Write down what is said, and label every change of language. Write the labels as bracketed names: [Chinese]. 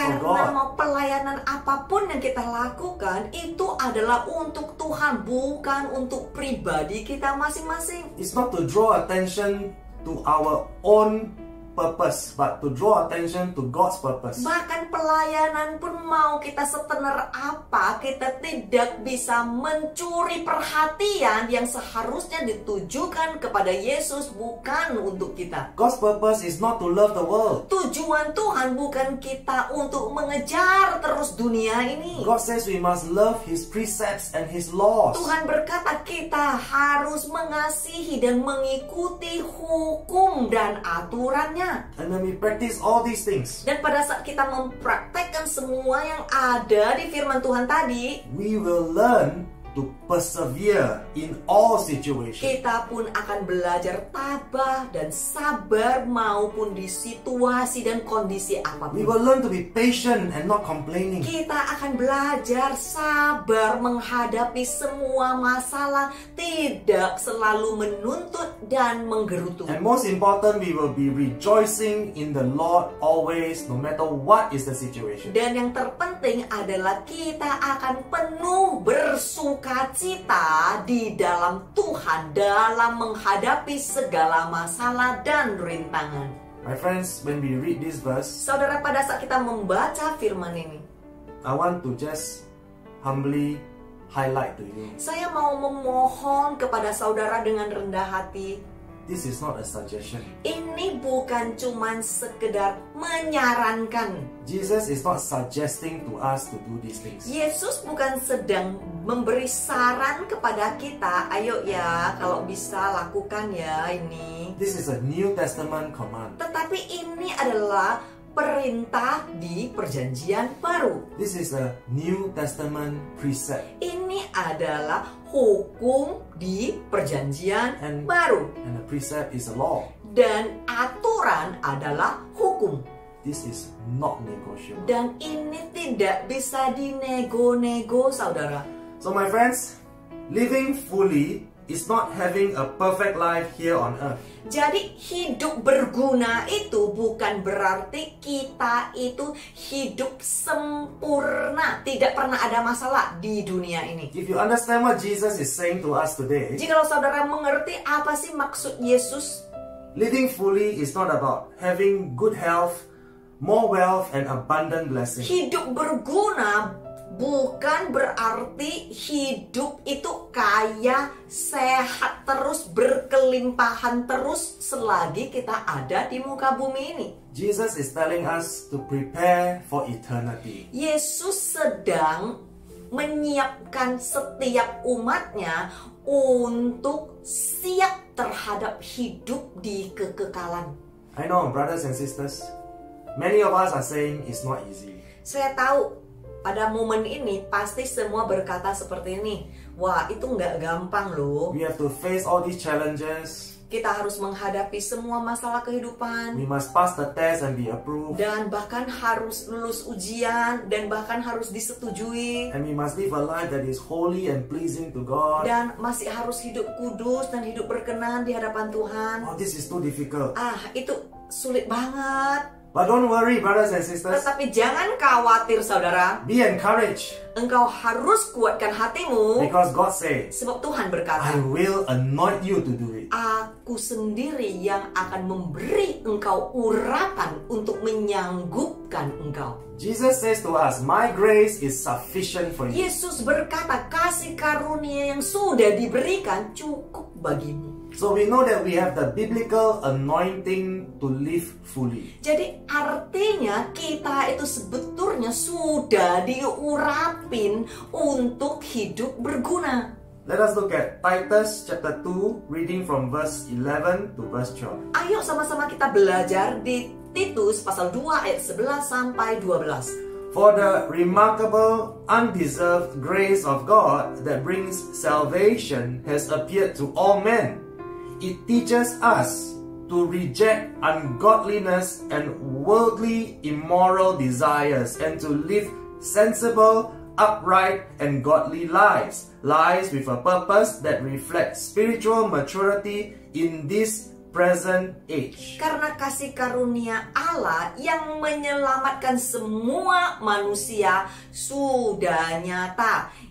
[Indonesian] karena [English] for God. [Indonesian] Karena pelayanan apapun yang kita lakukan itu adalah untuk Tuhan, bukan untuk pribadi kita masing-masing. [English] It's not to draw attention to our own purpose, but to draw attention to God's purpose. [Indonesian] Bahkan pelayanan pun mau kita setener apa, kita tidak bisa mencuri perhatian yang seharusnya ditujukan kepada Yesus, bukan untuk kita. [English] God's purpose is not to love the world. [Indonesian] Tujuan Tuhan bukan kita untuk mengejar terus dunia ini. [English] God says we must love His precepts and His laws. [Indonesian] Tuhan berkata kita harus mengasihi dan mengikuti hukum dan aturan. [English] And then we practice all these things. [Indonesian] Dan pada saat kita mempraktekkan semua yang ada di firman Tuhan tadi, [English] we will learn to persevere in all situations. [Indonesian] Kita pun akan belajar tabah dan sabar maupun di situasi dan kondisi apapun. [English] We will learn to be patient and not complaining. [Indonesian] Kita akan belajar sabar menghadapi semua masalah, tidak selalu menuntut dan menggerutu. [English] And most important, we will be rejoicing in the Lord always, no matter what is the situation. [Indonesian] Dan yang terpenting adalah kita akan penuh bersuka cita di dalam Tuhan dalam menghadapi segala masalah dan rintangan. [English] My friends, when we read this verse, [Indonesian] saudara, pada saat kita membaca firman ini, [English] I want to just humbly highlight to you. [Indonesian] Saya mau memohon kepada saudara dengan rendah hati. [English] This is not a suggestion. [Indonesian] Ini bukan cuman sekedar menyarankan. [English] Jesus is not suggesting to us to do these things. [Indonesian] Yesus bukan sedang memberi saran kepada kita, ayo ya, kalau bisa lakukan ya ini. [English] This is a New Testament command. [Indonesian] Tetapi ini adalah perintah di Perjanjian Baru. [English] This is a New Testament precept. [Indonesian] Ini adalah hukum di perjanjian [English] and, [Indonesian] baru. [English] And the precept is a law. [Indonesian] Dan aturan adalah hukum. [English] This is not negotiable. [Indonesian] Dan ini tidak bisa dinego-nego, saudara. [English] So my friends, living fully is not having a perfect life here on earth. [Indonesian] Jadi hidup berguna itu bukan berarti kita itu hidup sempurna, tidak pernah ada masalah di dunia ini. [English] If you understand what Jesus is saying to us today. [Indonesian] Jika saudara mengerti apa sih maksud Yesus? [English] Living fully is not about having good health, more wealth and abundant blessing. [Indonesian] Hidup berguna bukan berarti hidup itu kaya, sehat terus, berkelimpahan terus selagi kita ada di muka bumi ini. [English] Jesus is telling us to prepare for eternity. [Indonesian] Yesus sedang menyiapkan setiap umatnya untuk siap terhadap hidup di kekekalan. [English] I know, brothers and sisters, many of us are saying it's not easy. [Indonesian] Saya tahu pada momen ini pasti semua berkata seperti ini. Wah, itu enggak gampang loh. [English] We have to face all these challenges. [Indonesian] Kita harus menghadapi semua masalah kehidupan. [English] We must pass the test and be approved. [Indonesian] Dan bahkan harus lulus ujian dan bahkan harus disetujui. [English] And we must live a life that is holy and pleasing to God. [Indonesian] Dan masih harus hidup kudus dan hidup berkenan di hadapan Tuhan. [English] Oh, this is too difficult. [Indonesian] Ah, itu sulit banget. [English] But don't worry, brothers and sisters. [Indonesian] Tetapi jangan khawatir, saudara. [English] Be encouraged. [Indonesian] Engkau harus kuatkan hatimu. [English] Because God say. [Indonesian] Sebab Tuhan berkata. [English] I will anoint you to do it. [Indonesian] Aku sendiri yang akan memberi engkau urapan untuk menyanggupkan engkau. [English] Jesus says to us, my grace is sufficient for you. [Indonesian] Yesus berkata, kasih karunia yang sudah diberikan cukup bagimu. [English] So we know that we have the biblical anointing to live fully. [Indonesian] Jadi artinya kita itu sebetulnya sudah diurapin untuk hidup berguna. [English] Let us look at Titus chapter 2, reading from verse 11 to verse 12. [Indonesian] Ayo sama-sama kita belajar di Titus pasal 2 ayat 11 sampai 12. [English] For the remarkable, undeserved grace of God that brings salvation has appeared to all men. It teaches us to reject ungodliness and worldly immoral desires and to live sensible, upright, and godly lives. Lives with a purpose that reflects spiritual maturity in this present age. [Indonesian] Karena kasih karunia Allah yang menyelamatkan semua manusia sudah nyata.